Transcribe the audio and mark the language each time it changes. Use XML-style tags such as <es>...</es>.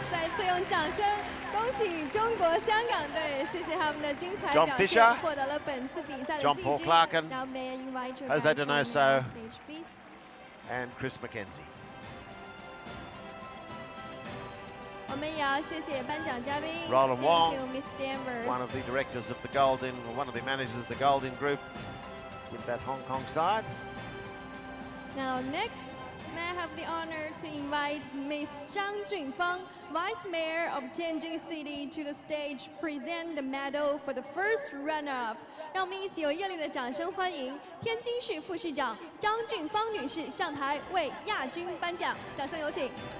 <zh>再次用掌声恭喜中国香港队，谢谢他们的精彩表现，</zh> <en>John Fisher,</en> <zh>获得了本次比赛的季军。</zh> <en>John Paul Clarkin, Jose Donoso, and Kris McKenzie.</en> <zh>我们也要谢谢颁奖嘉宾</zh> <en>Roland Wong, Mr. one of the directors of the Golden, one of the managers of the Golden Group with that Hong Kong side. Now next. May I have the honor to invite Ms. Zhang Junfeng, Vice Mayor of Tianjin City, to the stage present the medal for the first runner-up.</en> <zh>让我们一起有热烈的掌声欢迎天津市副市长张俊芳女士上台为亚军颁奖。掌声有请。</zh>